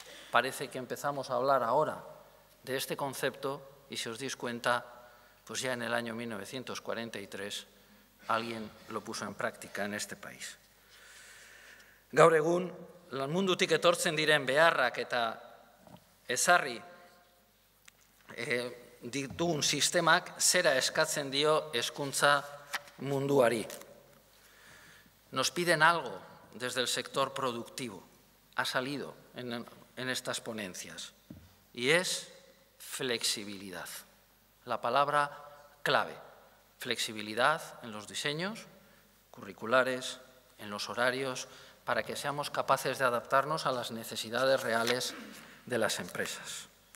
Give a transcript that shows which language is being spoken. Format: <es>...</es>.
<es>Parece que empezamos a hablar ahora de este concepto y si os dais cuenta, pues ya en el año 1943 alguien lo puso en práctica en este país.</es> <eu>Gaur egun, lan mundutik etortzen diren beharrak eta ezarri ditugun sistemak zera eskatzen dio hezkuntza munduari.</eu> <es>Nos piden algo desde el sector productivo. Ha salido en estas ponencias. Y es flexibilidad. La palabra clave. Flexibilidad en los diseños curriculares, en los horarios, para que seamos capaces de adaptarnos a las necesidades reales de las empresas.</es>